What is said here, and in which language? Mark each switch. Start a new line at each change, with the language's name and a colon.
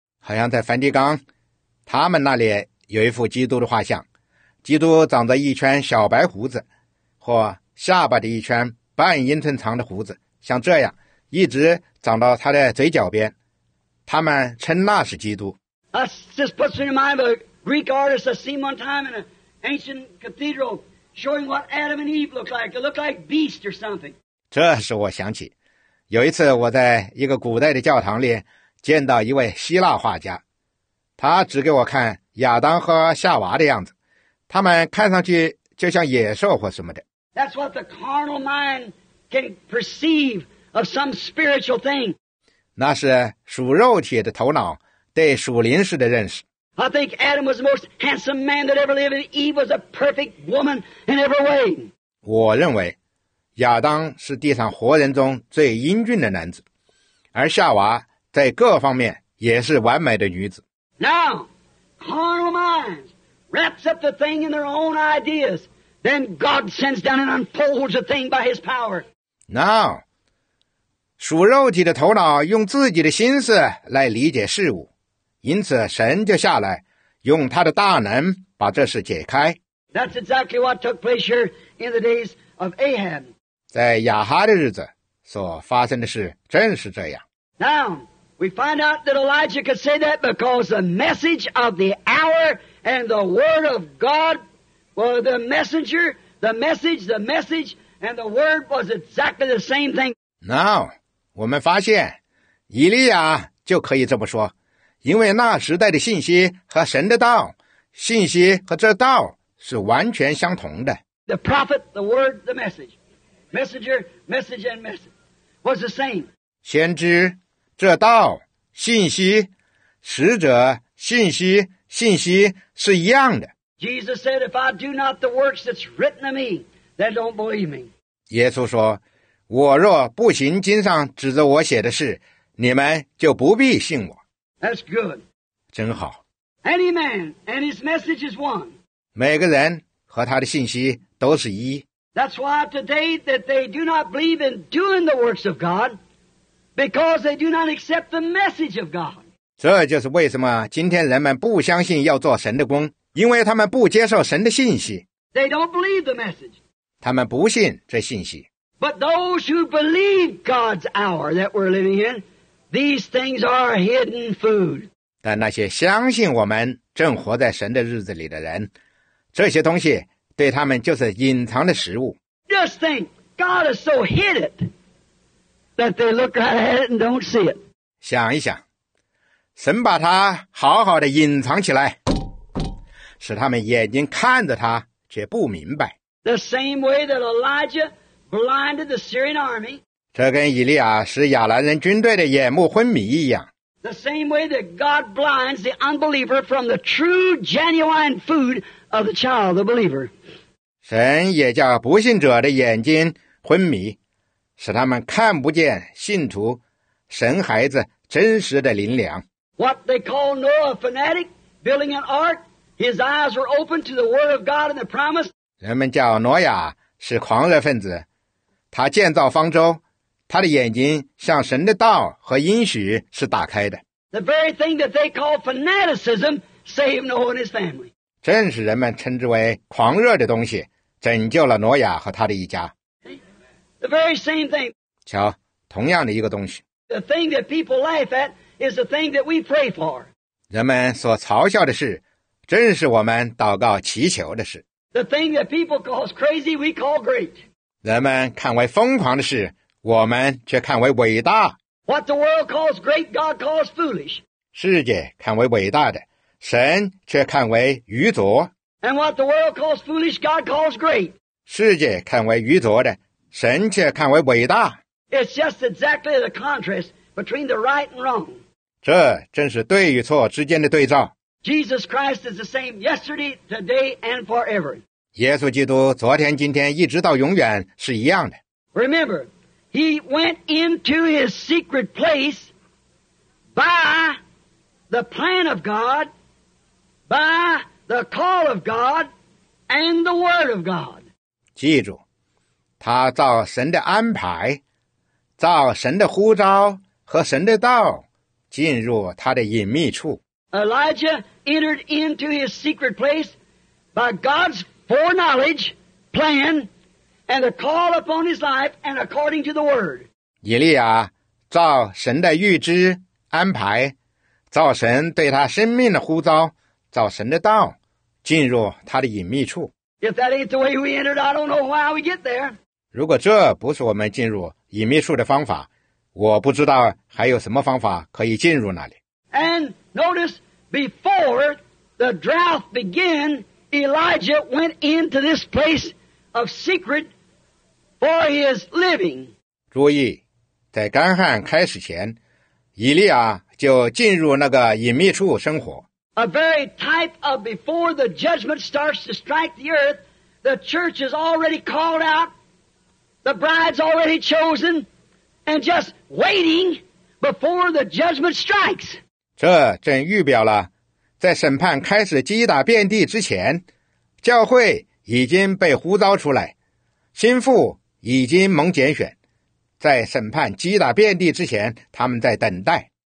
Chinese: 好像在梵蒂冈，他们那里有一幅基督的画像，基督长着一圈小白胡子，或下巴的一圈半英寸长的胡子，像这样一直长到他的嘴角边，他们称那是基督。
English: That just puts me in mind of a Greek artist I seen one time in an ancient cathedral showing what Adam and Eve looked like. It looked like beast or something.
Chinese: 这使我想起，有一次我在一个古代的教堂里见到一位希腊画家，他指给我看亚当和夏娃的样子，他们看上去就像野兽或什么的。
English: That's what the carnal mind can perceive of some spiritual thing.
Chinese: 那是属肉体的头脑对属灵式的认识。
English: I think Adam was the most handsome man that ever lived, and Eve was a perfect woman in every way.
Chinese: 我认为亚当是地上活人中最英俊的男子，而夏娃在各方面也是完美的女子。
English: Now, carnal minds wraps up the thing in their own ideas, then God sends down and unfolds the thing by His power. Now,
Chinese: 属肉体的头脑用自己的心思来理解事物，因此神就下来用他的大能把这事解开。
English: That's exactly what took place here in the days of Ahab.
Chinese: 在亚哈的日子所发生的事正是这样。
English: Now, we find out that Elijah could say that because the message of the hour and the word of God were the messenger, the message and the word was exactly the same thing. Now,
Chinese: 我们发现以利亚就可以这么说，因为那时代的信息和神的道，信息和这道是完全相同的。
English: The prophet, the word, the message. Messenger, message and message was the same.
Chinese: 先知、这道、信息、使者、信息是一样的。
English: Jesus said, if I do not the works that's written of me, then don't believe me.
Chinese: 耶稣说，我若不行经上指着我写的事，你们就不必信我。
English: That's good.
Chinese: 真好。
English: Any man and his message is one.
Chinese: 每个人和他的信息都是一。
English: That's why today that they do not believe in doing the works of God, because they do not accept the message of God.
Chinese: 这就是为什么今天人们不相信要做神的工，因为他们不接受神的信息。
English: They don't believe the message.
Chinese: 他们不信这信息。
English: But those who believe God's hour that we're living in,These things are hidden food.
Chinese: 但那些相信我们正活在神的日子里的人，这些东西对他们就是隐藏的食物。
English: Just think, God is so hidden that they look right at it and don't see it.
Chinese: 想一想，神把它好好的隐藏起来，使他们眼睛看着它却不明白。
English: The same way that Elijah blinded the Syrian army.
Chinese: 这跟以利亚使亚兰人军队的眼目昏迷一样。
English: The same way that God blinds the unbeliever from the true, genuine food of the child, the believer.
Chinese: 神也叫不信者的眼睛昏迷，使他们看不见信徒、神孩子真实的灵粮。
English: What they call Noah fanatic, building an ark, his eyes were open to the word of God and the promise.
Chinese: 人们叫挪亚是狂热分子，他建造方舟。他的眼睛向神的道和应许是打开的。
English: The very thing that they call fanaticism saved Noah and his family.
Chinese: 正是人们称之为狂热的东西，拯救了挪亚和他的一家。
English: The very same thing.
Chinese: 瞧，同样的一个东西。
English: The thing that people laugh at is the thing that we pray for.
Chinese: 人们所嘲笑的事，正是我们祷告祈求的事。
English: The thing that people call crazy, we call great.
Chinese: 人们看为疯狂的事，我们却看为伟大。
English: What the world calls great, God calls foolish.
Chinese: 世界看为伟大的，神却看为愚拙。
English: And what the world calls foolish, God calls great.
Chinese: 世界看为愚拙的，神却看为伟大。
English: It's just exactly the contrast between the right and wrong.
Chinese: 这正是对与错之间的对照。
English: Jesus Christ is the same yesterday, today, and forever.
Chinese: 耶稣基督昨天、今天一直到永远是一样的。
English: Remember, he went into his secret place by the plan of God, by the call of God, and the word of God.
Chinese: 记住，他照神的安排，照神的呼召和神的道，进入他的隐秘处。
English: Elijah entered into his secret place by God's foreknowledge, plan, and the call upon his life, and according to the word.
Chinese: 以利亚照神的预知安排，照神对他生命的呼召，照神的道，进入他的隐秘处。
English: If that ain't the way we entered, I don't know why we get there.
Chinese: 如果这不是我们进入隐秘处的方法，我不知道还有什么方法可以进入那里。
English: And notice, before the drought began, Elijah went into this place of secret for his living.
Chinese: 注意，在干旱开始前，以利亚就进入那个隐秘处生活。
English: A very type of before the judgment starts to strike the earth, the church is already called out, the bride's already chosen, and just waiting before the judgment strikes.
Chinese: 这正预表了，在审判开始击打遍地之前，教会已经被呼召出来，心腹已经蒙拣选，在审判击打遍地之前，他们在等待。